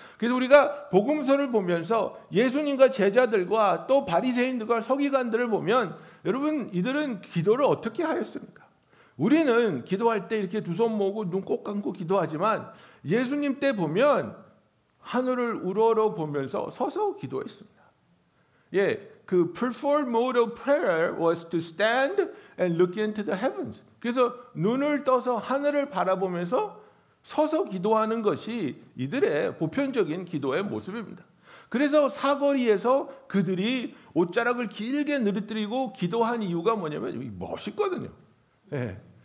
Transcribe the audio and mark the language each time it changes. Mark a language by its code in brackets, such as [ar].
[ko] 그래서 우리가 복음서를 보면서 예수님과 제자들과 또 바리새인들과 서기관들을 보면 여러분 이들은 기도를 어떻게 하였습니까? 우리는 기도할 때 이렇게 두 손 모으고 눈 꼭 감고 기도하지만 예수님 때 보면 하늘을 우러러 보면서 서서 기도했습니다. 예. 그 [en] preferred mode of prayer was to stand and look into the heavens. [ko] 그래서 눈을 떠서 하늘을 바라보면서 서서 기도하는 것이 이들의 보편적인 기도의 모습입니다. 그래서 사거리에서 그들이 옷자락을 길게 늘어뜨리고 기도한 이유가 뭐냐면 멋있거든요. 예.